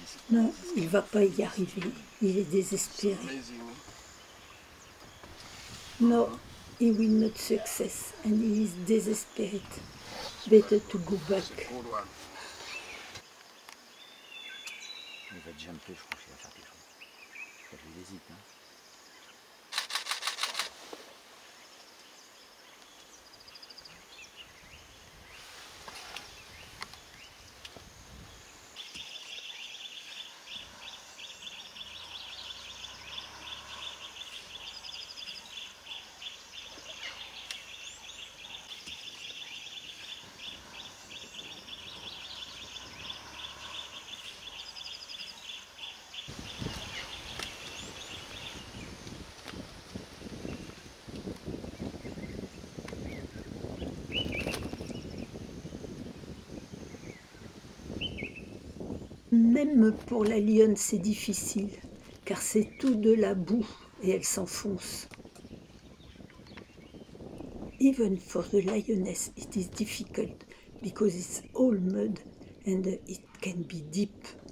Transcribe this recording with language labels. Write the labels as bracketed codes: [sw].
[fr] Non, il va pas y arriver. Il est désespéré. [en] No, he will not success and he is desperate. Better to go back. [fr] Il va jumper, je crois qu'il va faire quelque chose. Peut-être qu'il hésite, hein. Même pour la lionne, c'est difficile, car c'est tout de la boue et elle s'enfonce. [en] Even for the lioness, it is difficult because it's all mud and it can be deep.